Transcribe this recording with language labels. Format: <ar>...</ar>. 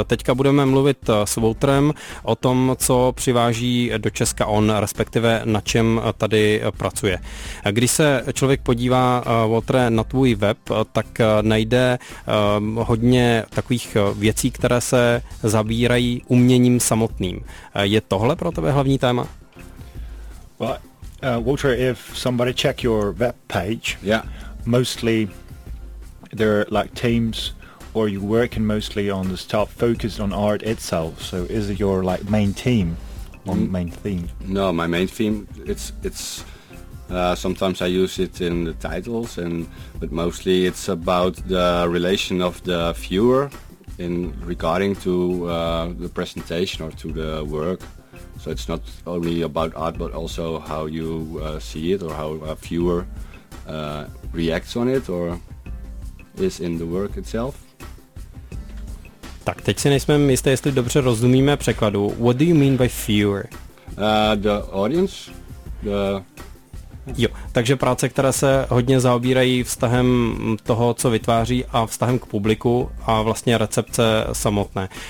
<cs>Teďka budeme mluvit s Woutrem o tom, co přiváží do Česka on, respektive na čem tady pracuje. Když se člověk podívá, Woutre, na tvůj web, tak najde hodně takových věcí, které se zabírají uměním samotným. Je tohle pro tebe hlavní téma?</cs> <en>What? Walter, if somebody check your web page, yeah, mostly there are like teams, or you working mostly on the stuff focused on art itself. So is it your like main team or main theme? No, my main theme. It's sometimes I use it in the titles, but mostly it's about the relation of the viewer in regarding to the presentation or to the work. So it's not only about art, but also how you see it, or how a viewer reacts on it, or is in the work itself.</en> <cs>Tak teď si nejsme jisté, jestli dobře rozumíme překladu.</cs> <en>What do you mean by viewer? The audience. The...</en> <cs>Jo, takže práce, které se hodně zaobírají vztahem toho, co vytváří, a vztahem k publiku a vlastně recepce samotné.</cs>